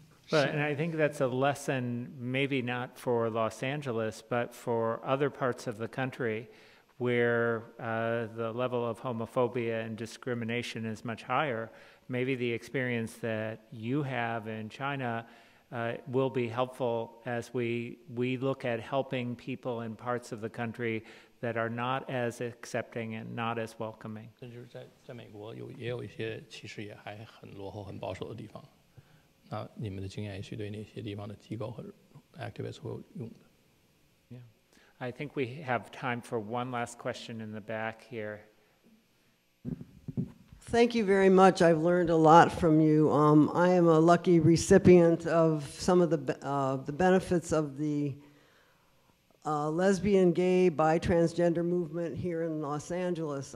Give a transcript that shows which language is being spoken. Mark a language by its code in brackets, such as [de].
[en] But, and I think that's a lesson maybe not for Los Angeles, but for other parts of the country, where the level of homophobia and discrimination is much higher. Maybe the experience that you have in China will be helpful as we look at helping people in parts of the country that are not as accepting and not as welcoming. [zh] 就是在美国有也有一些其实也还很落后、很保守的地方。那你们的经验也许对那些地方的机构或者activists会有用的。 [en] I think we have time for one last question in the back here. Thank you very much. I've learned a lot from you. I am a lucky recipient of some of the benefits of the lesbian, gay, bi, transgender movement here in Los Angeles.